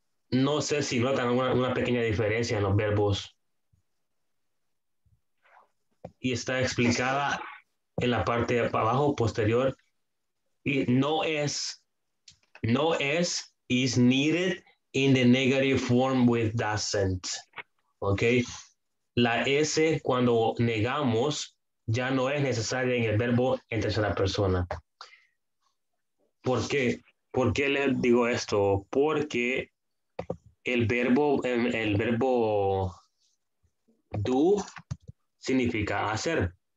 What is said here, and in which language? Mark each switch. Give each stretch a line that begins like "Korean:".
Spanish: No sé si notan una pequeña diferencia en los verbos. Y está explicada en la parte de abajo, posterior. Y no es,
English: is needed in the negative form with doesn't. ¿Ok?
Spanish: La S, cuando negamos, ya no es necesaria en el verbo en tercera persona. ¿Por qué? ¿Por qué le digo esto? Porque el verbo do significa hacer.